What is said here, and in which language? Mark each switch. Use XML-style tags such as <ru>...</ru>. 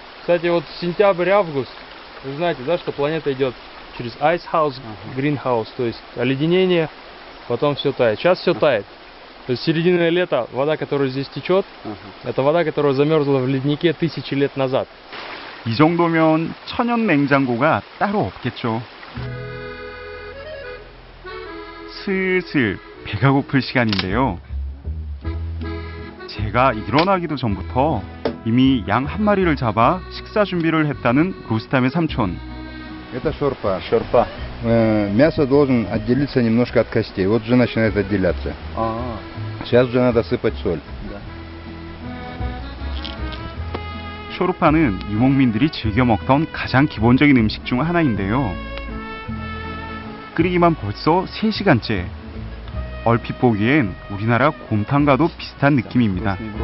<ru>Кстати, вот сентябрь, август. Вы знаете, да, что планета идет через</ru> <en>ice house, green house,</en> <ru>то есть оледенение, потом все тает. Сейчас все тает. То есть середина лета, вода, которая здесь течет, это вода, которая замерзла в леднике тысячи лет назад.</ru> <ko>이 정도면 천연 냉장고가 따로 없겠죠. 슬슬 배가 고플 시간인데요. 제가 일어나기도 전부터 이미 양 한 마리를 잡아 식사 준비를 했다는 루스탐의 삼촌.</ko> <ru>Это шорпа. Шорпа. Мясо должен отделиться немножко от костей. Вот уже начинает отделяться. Сейчас уже надо сыпать соль.</ru> <ko>쇼르파는 유목민들이 즐겨 먹던 가장 기본적인 음식 중 하나인데요. 끓이기만 벌써 3시간째. 얼핏 보기엔 우리나라 곰탕과도 비슷한 느낌입니다.</ko>